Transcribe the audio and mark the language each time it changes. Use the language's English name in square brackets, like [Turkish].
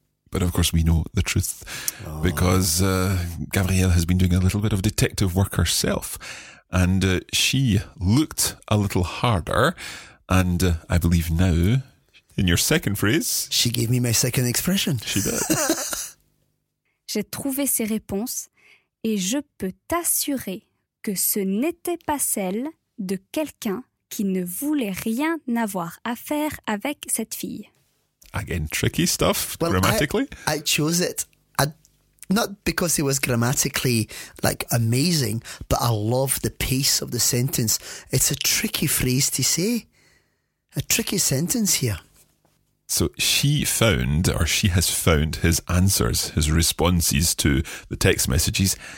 [English] But of course we know the truth because Gabrielle has been doing a little bit of detective work herself and she looked a little harder and I believe now, in your second phrase... She gave me my second expression. She did. [French] J'ai trouvé ses réponses et je peux t'assurer que ce n'était pas celle de quelqu'un qui ne voulait rien avoir à faire avec cette fille. [English] Again, tricky stuff, well, grammatically. I chose it. Not because it was grammatically, like, amazing, but I love the pace of the sentence. It's a tricky phrase to say. A tricky sentence here. So she found, or she has found, his answers, his responses to the text messages.